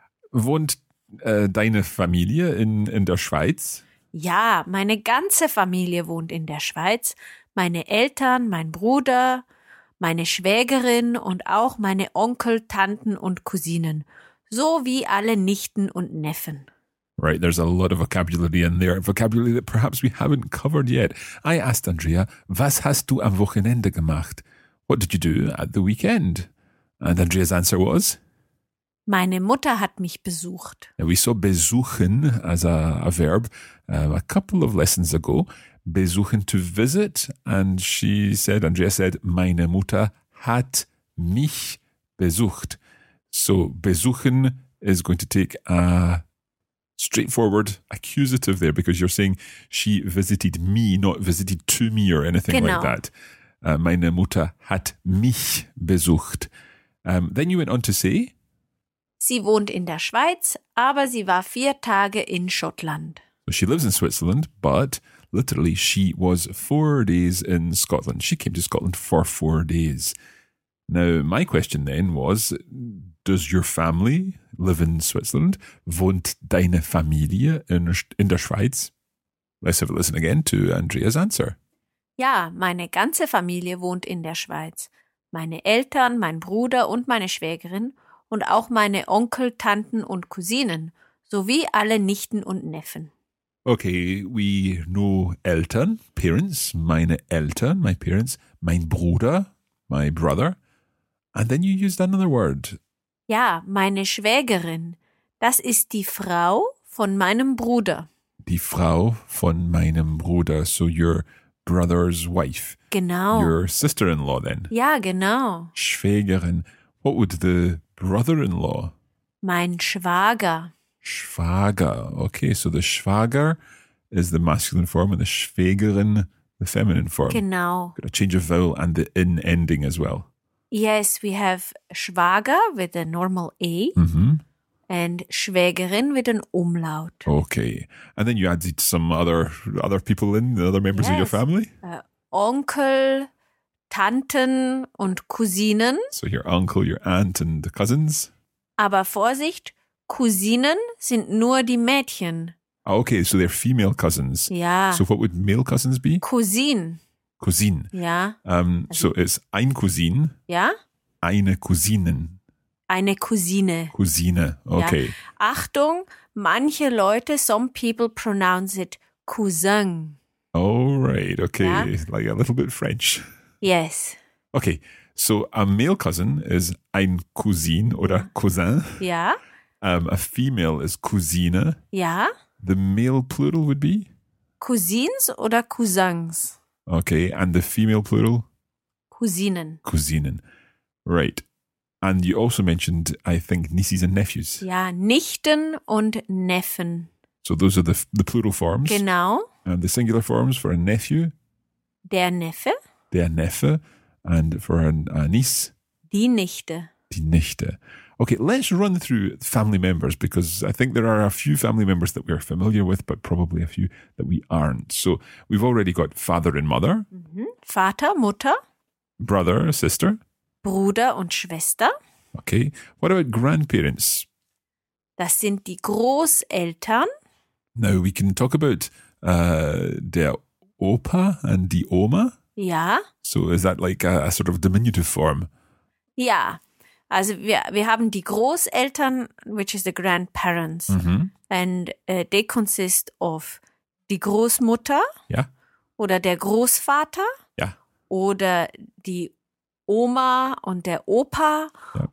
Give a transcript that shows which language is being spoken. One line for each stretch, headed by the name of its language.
German: Wohnt deine Familie in der Schweiz? Ja, meine ganze Familie wohnt in der Schweiz. Meine Eltern, mein Bruder, meine Schwägerin und auch meine Onkel, Tanten und Cousinen. So wie alle Nichten und Neffen.
English: Right, there's a lot of vocabulary in there. Vocabulary that perhaps we haven't covered yet. I asked Andrea,
German: was hast du am Wochenende gemacht?
English: What did you do at the weekend? And Andrea's answer was?
German: Meine Mutter hat mich besucht.
English: Now we saw besuchen as a verb a couple of lessons ago. Besuchen, to visit. And she said, Andrea said,
German: meine Mutter hat mich besucht.
English: So besuchen is going to take a straightforward accusative there, because you're saying she visited me, not visited to me or anything
German: genau.
English: Like that.
German: Meine Mutter hat mich besucht.
English: Then you went on to say?
German: Sie wohnt in der Schweiz, aber sie war 4 Tage in Schottland.
English: So she lives in Switzerland, but literally she was 4 days in Scotland. She came to Scotland for 4 days. Now, my question then was, does your family live in Switzerland?
German: Wohnt deine Familie in der Schweiz?
English: Let's have a listen again to Andrea's answer.
German: Ja, meine ganze Familie wohnt in der Schweiz. Meine Eltern, mein Bruder und meine Schwägerin und auch meine Onkel, Tanten und Cousinen, sowie alle Nichten und Neffen.
English: Okay, we know Eltern, parents,
German: meine Eltern,
English: my parents,
German: mein Bruder,
English: my brother. And then you used another word.
German: Ja, meine Schwägerin, das ist die Frau von meinem Bruder. Die Frau von meinem Bruder,
English: so your brother's wife.
German: Genau.
English: Your sister-in-law then.
German: Ja, genau. Schwägerin.
English: What would the brother-in-law?
German: Mein Schwager.
English: Schwager. Okay, so the Schwager is the masculine form and the Schwägerin the feminine form.
German: Genau.
English: Got a change of vowel and the in ending as well. Yes, we have Schwager with a normal A. Mm-hmm. And Schwägerin with an Umlaut. Okay. And then you added some other people in, the other members yes. of your family?
German: Onkel, Tanten und Cousinen.
English: So your uncle, your aunt and the cousins.
German: Aber Vorsicht, Cousinen sind nur die Mädchen.
English: Okay, so they're female cousins.
German: Ja.
English: So what would male cousins be?
German: Cousin. Cousin. Ja.
English: So it's ein Cousin.
German: Ja. Eine Cousinen. Eine Cousine. Cousine, okay. Ja. Achtung, manche Leute,
English: some people pronounce it Cousin. Oh, right, okay. Ja? Like a little bit French. Yes. Okay, so a male cousin is
German: ein Cousin oder Cousin. Ja.
English: A female is Cousine.
German: Ja.
English: The male plural would be?
German: Cousins oder Cousins?
English: Okay, and the female plural?
German: Cousinen. Cousinen. Right.
English: And you also mentioned, I think, nieces and nephews.
German: Ja, Nichten und Neffen.
English: So those are the plural forms.
German: Genau.
English: And the singular forms for a nephew?
German: Der Neffe.
English: Der Neffe. And for a niece?
German: Die Nichte. Die Nichte.
English: Okay, let's run through family members because I think there are a few family members that we are familiar with, but probably a few that we aren't. So we've already got father and mother.
German: Mm-hmm. Vater, Mutter.
English: Brother, sister.
German: Bruder und Schwester.
English: Okay, what about grandparents?
German: Das sind die Großeltern.
English: Now we can talk about
German: der Opa
English: and
German: die Oma. Ja.
English: So is that like a sort of diminutive form?
German: Ja. Also wir haben die Großeltern,
English: which is the grandparents, mm-hmm. and they consist of die Großmutter,
German: ja. oder der Großvater, ja. oder die Oma und der Opa, ja.